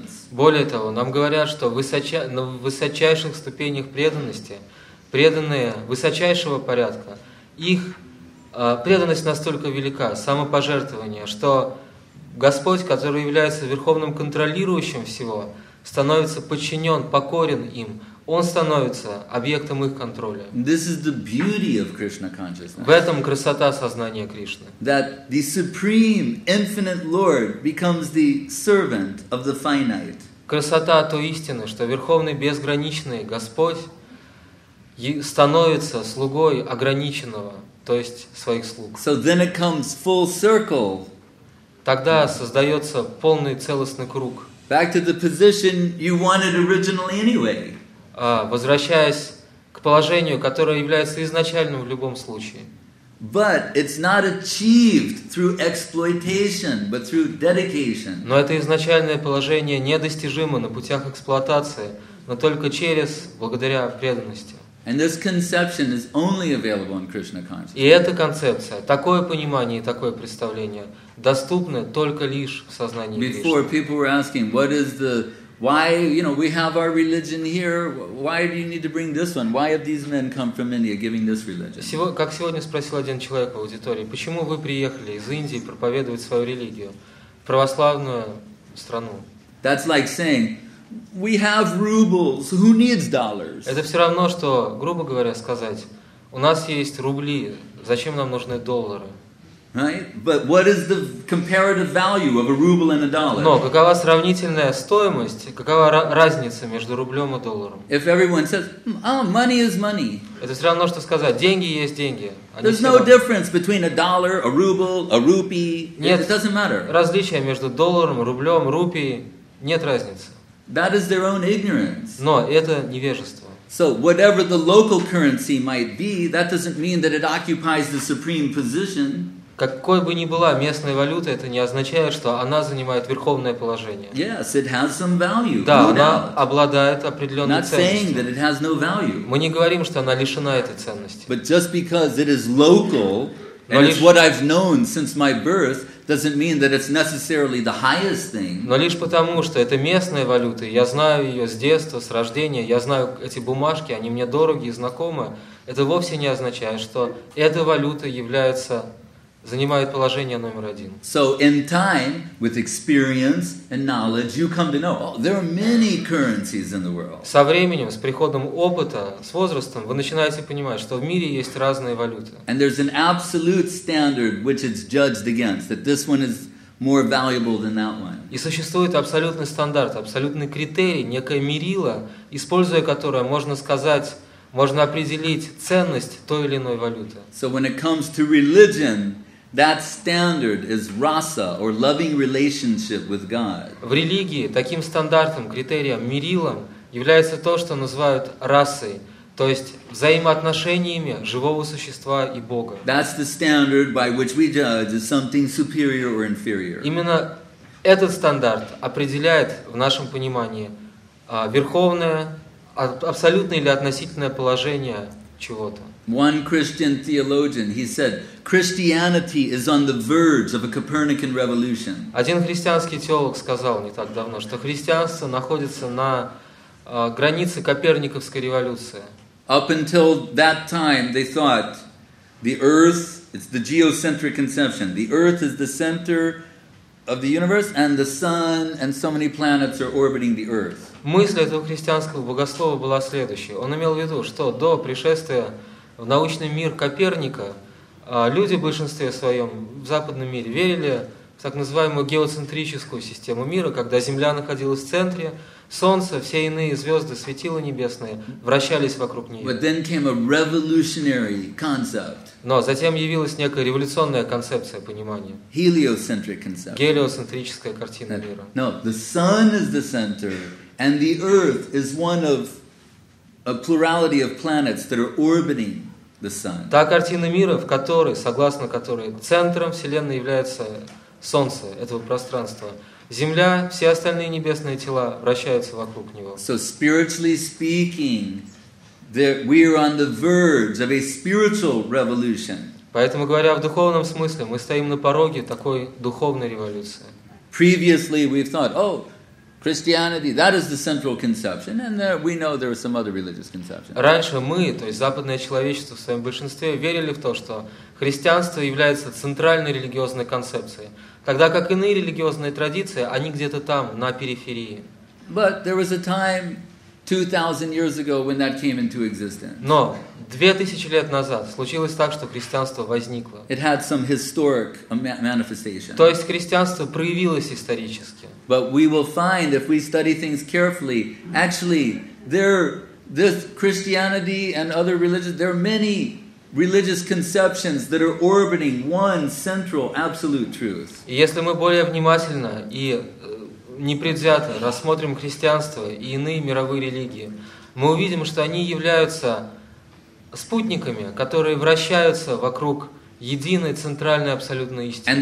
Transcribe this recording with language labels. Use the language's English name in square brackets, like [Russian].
[Russian] Более того, нам говорят, что на высочайших ступенях преданности, преданные высочайшего порядка, их преданность настолько велика, самопожертвование, что Господь, который является верховным контролирующим всего, становится подчинен, покорен им. Он становится объектом их контроля. [English] This is the beauty of Krishna consciousness. [Russian] В этом красота сознания Кришны. [English] That the supreme, infinite Lord becomes the servant of the finite. [Russian] Красота той истины, что верховный безграничный Господь становится слугой ограниченного, то есть своих слуг. [English] So then it comes full circle. [Russian] Тогда создается полный целостный круг. [English] Back to the position you wanted originally anyway. [Russian] Возвращаясь к положению, которое является изначальным в любом случае. [English] But it's not achieved through exploitation, but through dedication. [Russian] Но это изначальное положение недостижимо на путях эксплуатации, но только через благодаря преданности. [English] And this conception is only available in Krishna consciousness. [Russian] И эта концепция, такое понимание и такое представление доступны только лишь в сознании Кришны. [English] Before people were asking, what is the why, you know, we have our religion here, why do you need to bring this one? Why have these men come from India giving this religion? [Russian] Как сегодня спросил один человек в аудитории, почему вы приехали из Индии проповедовать свою религию в православную страну? [English] That's like saying we have rubles. Who needs dollars? [Russian] Это все равно, что, грубо говоря, сказать, у нас есть рубли. Зачем нам нужны доллары? [English] Right? But what is the comparative value of a ruble and a dollar? [Russian] Но какова сравнительная стоимость? Какова разница между рублем и долларом? [English] If everyone says, oh, money is money. [Russian] Это все равно, что сказать, деньги есть деньги. [English] There's no difference between a dollar, a ruble, a rupee. [Russian] Нет, [English] it doesn't matter. [Russian] Различия между долларом, рублем, рупией нет разницы. [English] That is their own ignorance. [Russian] Но это невежество. [English] So whatever the local currency might be, that doesn't mean that it occupies the supreme position. [Russian] Какой бы ни была местная валюта, это не означает, что она занимает верховное положение. [English] Yes, it has some value. [Russian] Да, она обладает определенной ценностью. [English] Not saying that it has no value. [Russian] Мы не говорим, что она лишена этой ценности. [English] But just because it is local and it's what I've known since my birth doesn't mean that it's necessarily the highest thing. [Russian] Но лишь потому, что это местная валюта, я знаю ее с детства, с рождения, я знаю эти бумажки, они мне дороги и знакомы, это вовсе не означает, что эта валюта является, занимает положение номер один. [English] So in time, with experience and knowledge, you come to know, oh, there are many currencies in the world. [Russian] Со временем, с приходом опыта, с возрастом, вы начинаете понимать, что в мире есть разные валюты. [English] And there's an absolute standard which it's judged against, that this one is more valuable than that one. [Russian] И существует абсолютный стандарт, абсолютный критерий, некое мерило, используя которое можно сказать, можно определить ценность той или иной валюты. [English] So when it comes to religion, that standard is rasa, or loving relationship with God. [Russian] В религии таким стандартом, критерием, мерилом является то, что называют расой, то есть взаимоотношениями живого существа и Бога. [English] That's the standard by which we judge is something superior or inferior. [Russian] Именно этот стандарт определяет в нашем понимании верховное, абсолютное или относительное положение чего-то. [English] One Christian theologian, he said, Christianity is on the verge of a Copernican revolution. [Russian] Один христианский теолог сказал не так давно, что христианство находится на границе Коперниковской революции. [English] Up until that time, they thought the Earth, it's the geocentric conception. The Earth is the center of the universe, and the Sun and so many planets are orbiting the Earth. [Russian] Мысль этого христианского богослова была следующей. Он имел в виду, что до пришествия в научный мир Коперника люди в большинстве своем в западном мире верили в так называемую геоцентрическую систему мира, когда Земля находилась в центре, Солнце, все иные звезды, светила небесные вращались вокруг нее. [English] But then came a revolutionary concept. [Russian] Но затем явилась некая революционная концепция понимания. [English] Heliocentric concept. [Russian] Гелиоцентрическая картина мира. [English] No, the sun is the center, and the earth is one of a plurality of planets that are orbiting the sun. [Russian] Та картина мира, в которой, согласно которой, центром Вселенной является Солнце этого пространства. Земля, все остальные небесные тела вращаются вокруг него. [English] So spiritually speaking, that we are on the verge of a spiritual revolution. [Russian] Поэтому говоря в духовном смысле, мы стоим на пороге такой духовной революции. [English] Previously we've thought, oh, Christianity, that is the central conception, and there, we know there are some other religious conceptions. [Russian] Раньше мы, то есть западное человечество в своем большинстве, верили в то, что христианство является центральной религиозной концепцией. Тогда как иные религиозные традиции, они где-то там, на периферии. [English] But there was a time 2000 years ago when that came into existence. [Russian] Но 2000 лет назад случилось так, что христианство возникло. [English] It had some historic manifestation. [Russian] То есть христианство проявилось исторически. [English] But we will find if we study things carefully, actually there this Christianity and other religions, there are many religious conceptions that are orbiting one central absolute truth. [Russian] Если мы более внимательно и непредвзято рассмотрим христианство и иные мировые религии, мы увидим, что они являются спутниками, которые вращаются вокруг единой центральной абсолютной истины.